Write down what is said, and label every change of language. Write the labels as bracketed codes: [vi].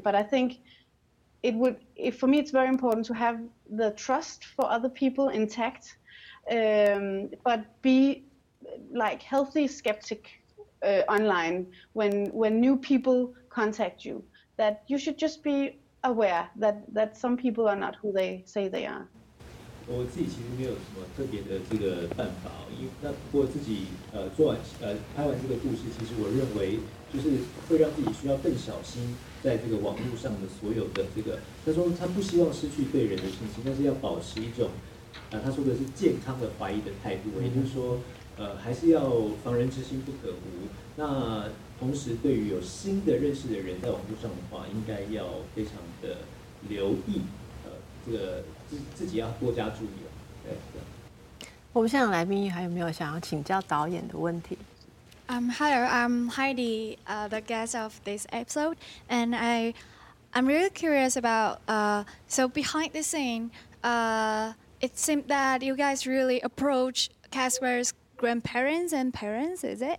[en] But I think for me, it's very important to have the trust for other people intact, but be like healthy skeptic online when new people contact you. That you should just be aware that some people are not who they say they are. [zh] 我自己其实没有什么特别的这个办法，因为那不过自己做完拍完这个故事，其实我认为就是会让自己需要更小心在这个网络上的所有的这个，他说他不希望失去对人的信心，但是要保持一种他说的是健康的怀疑的态度，也就是说还是要防人之心不可无。那同时对于有新的认识的人在网络上的话，应该要非常的留意，这个自己要多加注意了。对，我们现场来宾还有没有想要请教导演的问题？ [en] Hello, I'm Heidi, the guest of this episode, and I'm really curious about, so behind the scene, it seemed that you guys really approach Casper's grandparents and parents, is it?